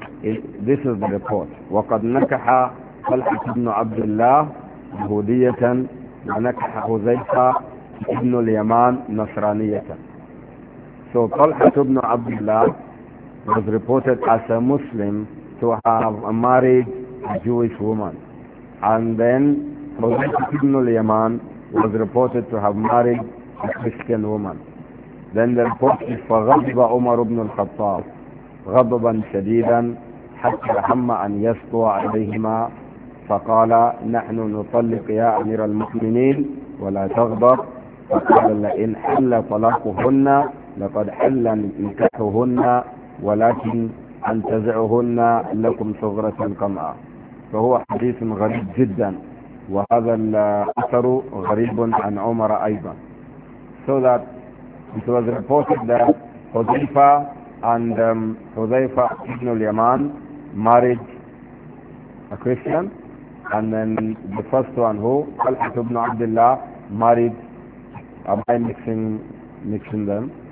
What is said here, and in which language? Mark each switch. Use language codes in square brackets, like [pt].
[en] This is the report. [ar] وَقَدْ نَكَحَ طَلْحَةُ بْنُ عَبْدِ اللَّهِ يَهُودِيَّةً وَنَكَحَ حُذَيْفَةَ بْنُ الْيَمَانِ نَصْرَانِيَّةً. [en] So طَلْحَةُ بْنُ عَبْدِ اللَّهِ was reported as a Muslim to have married a Jewish woman. And then حُذَيْفَةَ بْنُ الْيَمَانِ was reported to have married a Christian woman. Then the report is [ar] فَغَضِبَ عُمَرُ بْنُ الْخَطَّابِ غضبا شديدا حتى هم ان يسطو عليهما فقال نحن نطلق يا امير المؤمنين ولا تغضب فقال لئن حل طلاقهن لقد حل نكاحهن ولكن انتزعهن لكم صغرة القمعة. فهو حديث غريب جدا وهذا الاثر غريب عن عمر ايضا. [en] So that it was reported that Hudhayfa and Hudhayfa ibn al-Yaman married a Christian, and then the first one, who Talha ibn Abdullah, married by mixing them,